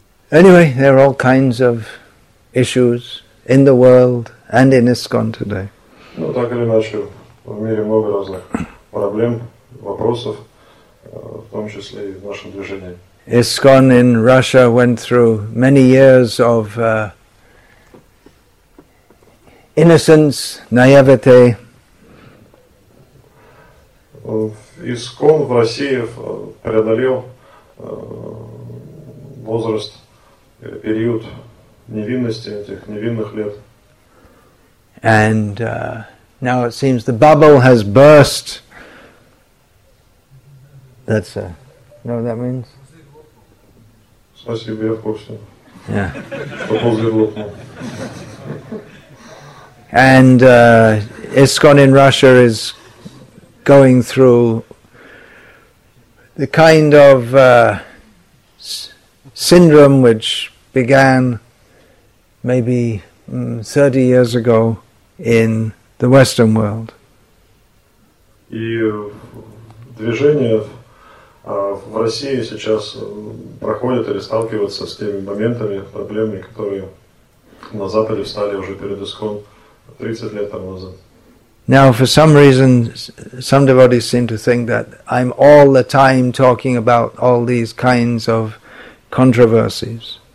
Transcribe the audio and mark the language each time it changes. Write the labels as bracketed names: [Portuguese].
[English] Anyway, there are all kinds of issues in the world and in ISKCON today. [Russian] Ну, так или иначе, в мире много разных проблем, вопросов, в том числе и в нашем движении. [English] ISKCON in Russia went through many years of innocence, naivete. [Russian] ISKCON в России преодолел возраст, период невинности, этих невинных лет. [English] And now it seems the bubble has burst. That's a, you know what that means? [Russian] Спасибо, я в курсе. [English] Yeah. [Russian] Поползли лопнул. [English] And ISKCON in Russia is going through the kind of syndrome which began maybe 30 years ago in the Western world. [Russian] И движение в России сейчас проходит или сталкивается с теми моментами, проблемами, которые на Западе встали уже перед ИСКОН 30 лет тому назад. [English] Now, for some reason, some devotees seem to think that I'm all the time talking about all these kinds of controversies.